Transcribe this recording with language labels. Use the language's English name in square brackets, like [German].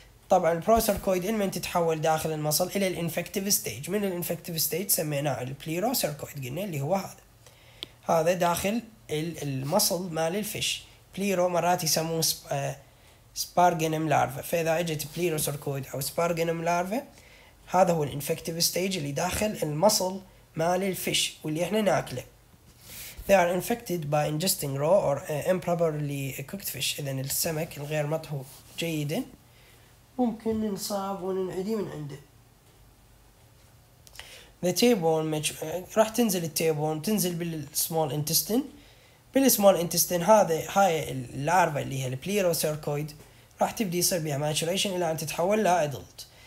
[Arabic] طبعا البروسيركويد لمن تتحول داخل المصل الى الانفكتيف ستيج، من الانفكتيف ستيج سميناه البليروسيركويد قلنا اللي هو هذا، هذا داخل المصل مال الفيش. بليرو مرات يسموه سبارجنم لارفا، فاذا اجت بليروسيركويد او سبارجنم لارفا هذا هو الانفكتيف ستيج اللي داخل المصل مال الفيش واللي احنا ناكله. [English] They are infected by ingesting raw or improperly cooked fish. [Arabic] إذا السمك الغير مطهو جيدا ممكن نصاب وننعدي من عنده. The tapeworm راح تنزل التابون، تنزل بالsmall intestine. بالsmall intestine هذا هاي اللارفا اللي هي البليروسيركويد راح تبدي يصير بها maturation إلى أن تتحول لا adult.